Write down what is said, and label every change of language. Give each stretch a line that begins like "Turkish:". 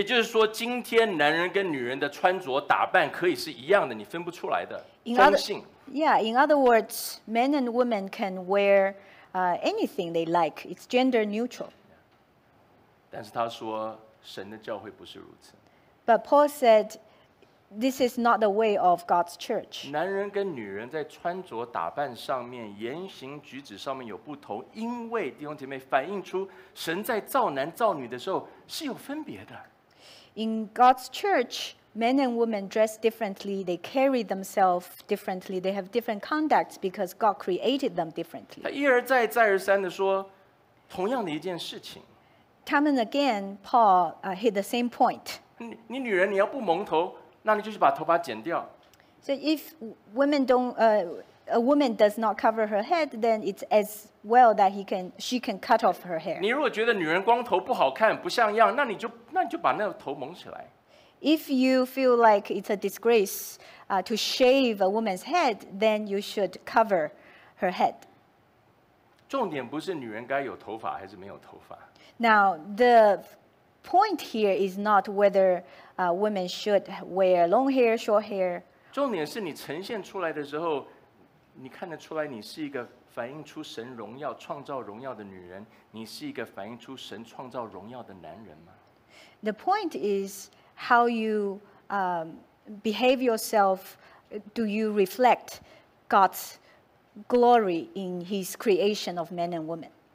Chinese: 也就是说，今天男人跟女人的穿着打扮可以是一样的，你分不出来的中性。
English: Yeah, in other words, men and women can wear anything they like. It's gender neutral.
Chinese: 但是他说，神的教会不是如此。
English: But Paul said, this is not the way of God's church.
Chinese: 男人跟女人在穿着打扮上面、言行举止上面有不同，因为弟兄姐妹反映出神在造男造女的时候是有分别的。
English: In God's church, men and women dress differently, they carry themselves differently, they have different conducts because God created them differently.
Chinese: 他一而再，再而三地说， 同样的一件事情。
English: Time and again, Paul hit the same point.
Chinese: 你女人你要不蒙头, 那你就是把头发剪掉。
English: So if women don't, a woman does not cover her head, then it's as well that she can cut off her hair.
Chinese: 你如果觉得女人光头不好看,不像样, 那你就把那头蒙起来。
English: If you feel like it's a disgrace to shave a woman's head, then you should cover her head.
Chinese: 重点不是女人该有头发还是没有头发。
English: Now, the point here is not whether women should wear long hair, short hair.
Chinese: 重点是你呈现出来的时候, 你看得出来你是一个反映出神荣耀,创造荣耀的女人, 你是一个反映出神创造荣耀的男人吗?
English: The point is, how you behave yourself, do you reflect God's glory in His creation of men and women?